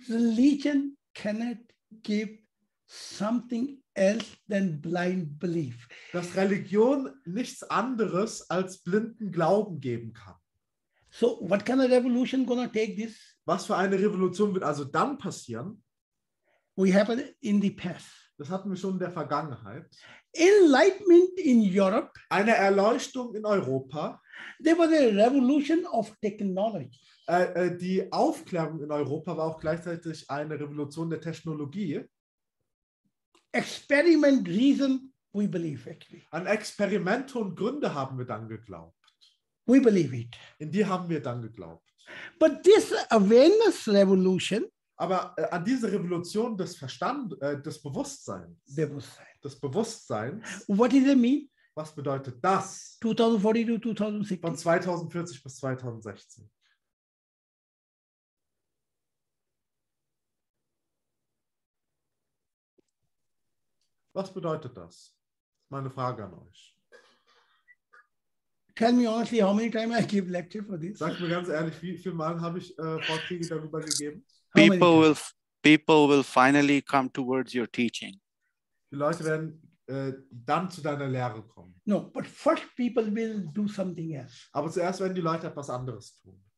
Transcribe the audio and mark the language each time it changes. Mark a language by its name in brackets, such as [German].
[English] Religion cannot give something else than blind belief. [German] Dass Religion nichts anderes als blinden Glauben geben kann. [English] So, what kind of revolution gonna take this? [German] Was für eine Revolution wird also dann passieren? [English] We have it in the past. [German] Das hatten wir schon in der Vergangenheit. [English] Enlightenment in Europe. [German] Eine Erleuchtung in Europa. [English] There was a revolution of technology. [German] Die Aufklärung in Europa war auch gleichzeitig eine Revolution der Technologie. [English] Experiment, reason, we believe actually. [German] An Experimente und Gründe haben wir dann geglaubt. [English] We believe it. [German] In die haben wir dann geglaubt. [English] But this awareness revolution. [German] Aber an diese Revolution des Verstandes, des Bewusstseins. Bewusstsein. Des Bewusstseins. [English] What does it mean? [German] Was bedeutet das? [English] 2040 to 2060. [German] Von 2040 bis 2016. Was bedeutet das? Meine Frage an euch. [English] Tell me honestly, how many times I give lecture for this? [German] Sag mir ganz ehrlich, wie viele Mal habe ich Vorträge darüber gegeben? [English] People will finally come towards your teaching. [German] Die Leute werden dann zu deiner Lehre kommen. [English] No, but first people will do something else. [German] Aber zuerst werden die Leute etwas anderes tun.